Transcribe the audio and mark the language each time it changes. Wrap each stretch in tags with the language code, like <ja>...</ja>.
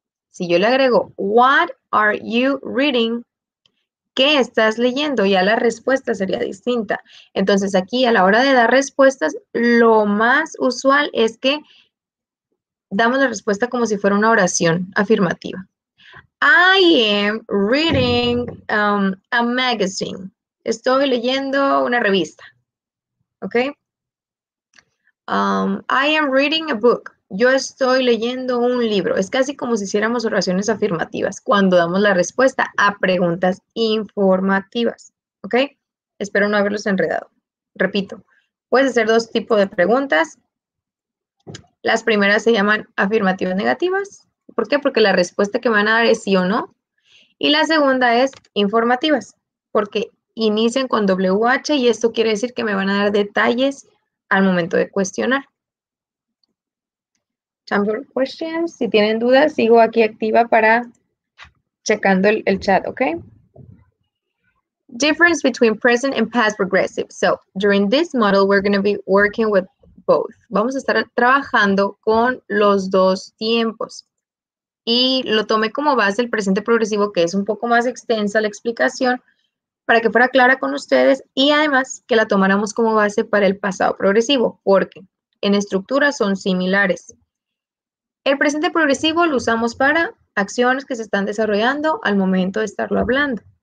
<es>Si yo le agrego,</es> <en>what are you reading?</en> <es>¿Qué estás leyendo? Ya la respuesta sería distinta. Entonces, aquí a la hora de dar respuestas, lo más usual es que damos la respuesta como si fuera una oración afirmativa.</es> <en>I am reading a magazine.</en> <es>Estoy leyendo una revista. ¿Ok?</es> <en>I am reading a book.</en> <es>Yo estoy leyendo un libro. Es casi como si hiciéramos oraciones afirmativas cuando damos la respuesta a preguntas informativas. ¿Ok? Espero no haberlos enredado. Repito, puedes hacer dos tipos de preguntas. Las primeras se llaman afirmativas negativas. ¿Por qué? Porque la respuesta que van a dar es sí o no. Y la segunda es informativas, porque inician con WH y esto quiere decir que me van a dar detalles al momento de cuestionar.</es> <en>Time for questions.</en> <es>Si tienen dudas, sigo aquí activa para checando el chat, ¿ok?</es> <en>Difference between present and past progressive. So, during this model, we're going to be working with both.</en> <es>Vamos a estar trabajando con los dos tiempos. Y lo tomé como base el presente progresivo, que es un poco más extensa la explicación, para que fuera clara con ustedes y además que la tomáramos como base para el pasado progresivo. Porque en estructura son similares. El presente progresivo lo usamos para acciones que se están desarrollando al momento de estarlo hablando.</es>